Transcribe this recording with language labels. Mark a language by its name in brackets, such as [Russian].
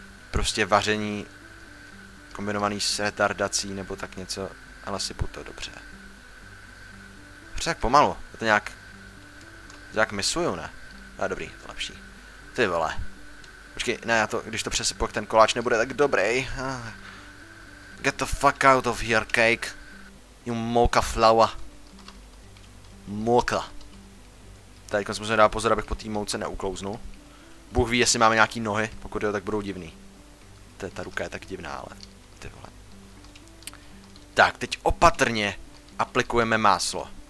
[Czech] Prostě vaření kombinovaný s retardací nebo tak něco, ale sypu to dobře. Tak pomalu, já to nějak... nějak misuju, ne? A dobrý, to lepší. Ty vole. Počkej, ne, já to, když to přesypu, jak ten koláč nebude tak dobrý. [English] Get the fuck out of here, cake. You mocha flower. Mocha. [Czech] Tady jsem musel dát pozor, abych po té mouce neuklouznul. Bůh ví, jestli máme nějaký nohy, pokud jo, tak budou divný. Ta ruka je tak divná, ale ty vole. Tak, teď opatrně aplikujeme máslo.